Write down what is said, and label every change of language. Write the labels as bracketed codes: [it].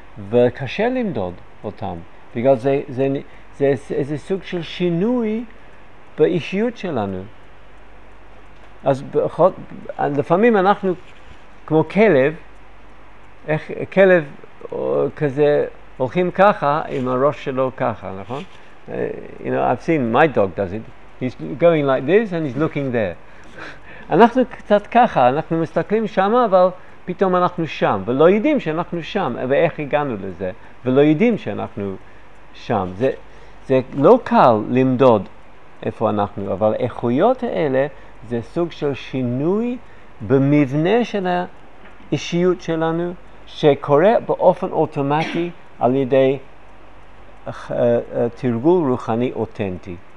[he] וקשה למדוד אותם. בגלל זה איזה סוג של שינוי באישיות שלנו. אז לפעמים אנחנו כמו כלב, איך כלב כזה הולכים ככה עם הראש שלו ככה, נכון? [en] You know, I've seen my dog does it. He's going like this and he's looking there. [he] אנחנו קצת ככה, אנחנו מסתכלים שם, אבל פתאום אנחנו שם, ולא יודעים שאנחנו שם, ואיך הגענו לזה, ולא יודעים שאנחנו שם. זה לא קל למדוד איפה אנחנו, אבל איכויות האלה זה סוג של שינוי במבנה של האישיות שלנו, שקורה באופן אוטומטי על ידי תרגול רוחני אותנטי.